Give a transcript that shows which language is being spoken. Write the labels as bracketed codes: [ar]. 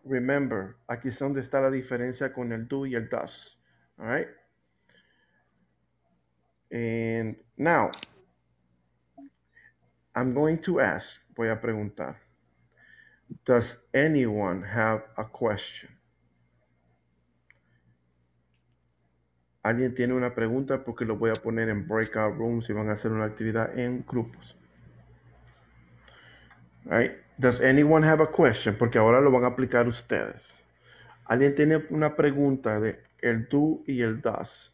[es] Remember, aquí es donde está la diferencia con el do y el does. [en] All right? And now, I'm going to ask, [es] voy a preguntar, [en] does anyone have a question? [es] ¿Alguien tiene una pregunta? Porque lo voy a poner en breakout rooms y van a hacer una actividad en grupos. Right? [en] Does anyone have a question? [es] Porque ahora lo van a aplicar ustedes. ¿Alguien tiene una pregunta de el do y el does?